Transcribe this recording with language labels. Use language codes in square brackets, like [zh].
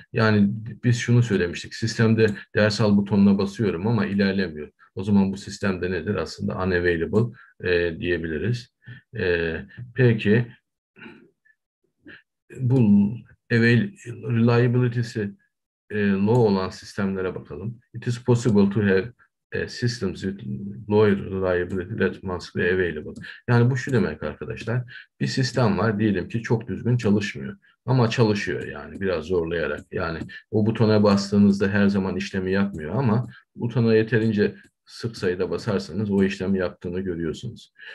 [tr] Yani biz şunu söylemiştik, sistemde ders al butonuna basıyorum ama ilerlemiyor. O zaman bu sistemde nedir? Aslında unavailable diyebiliriz. Peki bu reliability'si low olan sistemlere bakalım. [en] It is possible to have systems with low reliability that must be available. [tr] Yani bu şu demek arkadaşlar. Bir sistem var diyelim ki çok düzgün çalışmıyor. Ama çalışıyor yani biraz zorlayarak. Yani o butona bastığınızda her zaman işlemi yapmıyor ama butona yeterince sık sayıda basarsanız o işlemi yaptığını görüyorsunuz.